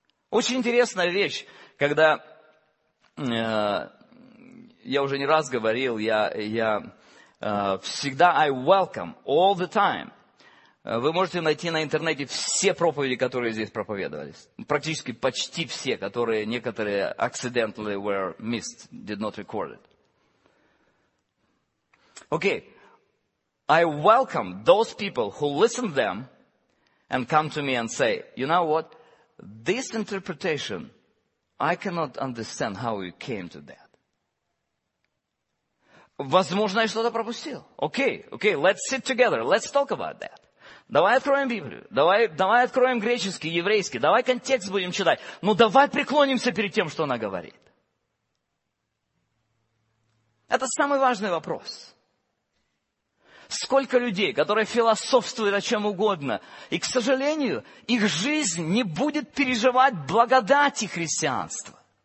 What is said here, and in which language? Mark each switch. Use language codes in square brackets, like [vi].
[ru] Очень интересная вещь, когда я уже не раз говорил, я всегда [en] I welcome all the time. [ru] Вы можете найти на интернете все проповеди, которые здесь проповедовались. Практически почти все, которые некоторые [en] accidentally were missed, did not recorded. Okay, I welcome those people who listen to them and come to me and say, you know what, this interpretation, I cannot understand how you came to that. [ru] Возможно, я что-то пропустил. [en] Okay, let's sit together, let's talk about that. [ru] Давай откроем Библию, давай откроем греческий, еврейский, давай контекст будем читать. Ну давай преклонимся перед тем, что она говорит. Это самый важный вопрос. Сколько людей, которые философствуют о чем угодно, и, к сожалению, их жизнь не будет переживать благодати христианства.